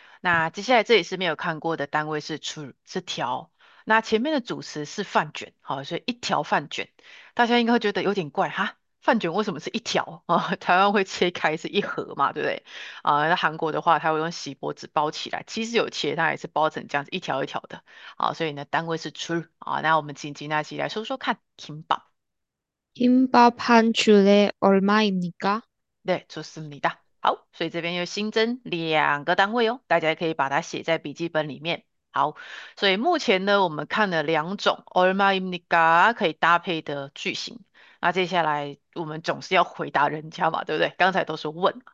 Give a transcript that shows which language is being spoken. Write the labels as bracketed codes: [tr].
[zh] 那接下来这里是没有看过的单位是出是条，那前面的主词是饭卷，好，所以一条饭卷，大家应该会觉得有点怪哈，饭卷为什么是一条啊？台湾会切开是一盒嘛，对不对？在韩国的话，他会用锡箔纸包起来，其实有切，但也是包成这样子一条一条的，好，所以呢单位是出啊。那我们请金娜姐来说说看，kimbap。 [ko] 김밥 한 줄에 얼마입니까? 네, 좋습니다. [zh] 好，所以这边又新增两个单位哦，大家可以把它写在笔记本里面。好，所以目前呢，我们看了两种 얼마입니까 可以搭配的句型。那接下来我们总是要回答人家嘛，对不对？刚才都是问。